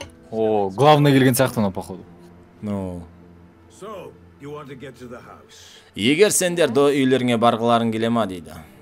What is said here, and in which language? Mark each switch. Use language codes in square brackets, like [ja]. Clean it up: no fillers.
[kk] О, главный келген сияқты мына, походу. Ну. [en] So, you want to get to the house. [kk] Егер сендер до үйлеріңе барғыларың келе ма, дейді.